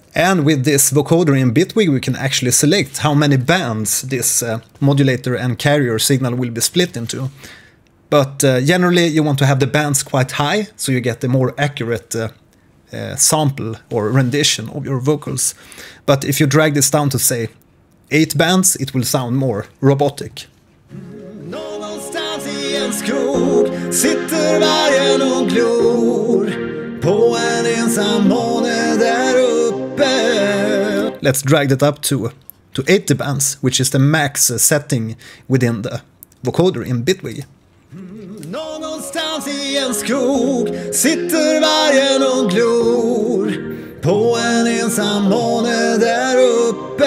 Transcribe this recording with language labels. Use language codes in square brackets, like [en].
[en] And with this vocoder in Bitwig, we can actually select how many bands this modulator and carrier signal will be split into. But generally, you want to have the bands quite high, so you get a more accurate sample or rendition of your vocals. But if you drag this down to, say, 8 bands, it will sound more robotic. [sv] Någonstans i en skog sitter vargen och glor på en ensam måne där uppe. [en] Let's drag that up to 80 bands, which is the max setting within the vocoder in Bitwig. [sv] Någonstans i en skog sitter vargen och glor på en ensam måne där uppe.